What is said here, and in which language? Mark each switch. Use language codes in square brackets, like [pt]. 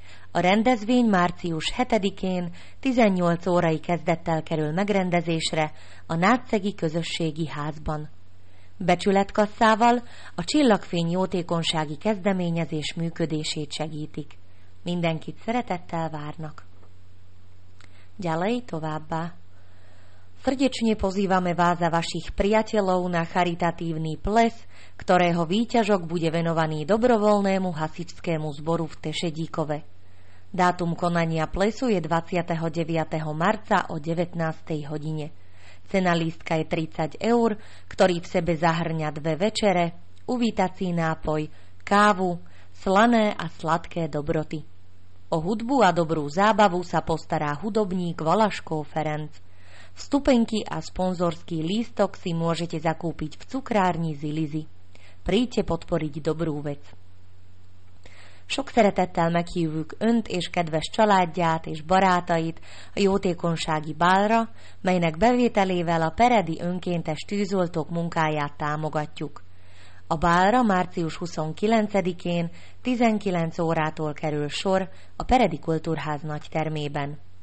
[hu] A rendezvény március 7-én 18 órai kezdettel kerül megrendezésre a Nátszegi Közösségi Házban. Becsületkasszával a Csillagfény jótékonysági kezdeményezés működését segítik. Mindenkit szeretettel várnak. Gyalej továbbá. [sk] Srdečne pozývame vás a vašich priateľov na charitatívny ples, ktorého výťažok bude venovaný dobrovoľnému hasičskému zboru v Tešedíkove. Dátum konania plesu je 29. marca o 19. hodine. Cena lístka je 30 eur, ktorý v sebe zahrňa dve večere, uvítací nápoj, kávu, slané a sladké dobroty. O hudbu a dobrú zábavu sa postará hudobník Valaško Ferenc. Vstupenky a sponzorský lístok si môžete zakúpiť v cukrárni Zilizi. Príďte podporiť dobrú vec. [hu] Sok szeretettel meghívjuk önt és kedves családját és barátait a jótékonysági bálra, melynek bevételével a Peredi önkéntes tűzoltók munkáját támogatjuk. A bálra március 29-én 19 órától kerül sor a Peredi Kultúrház nagy termében.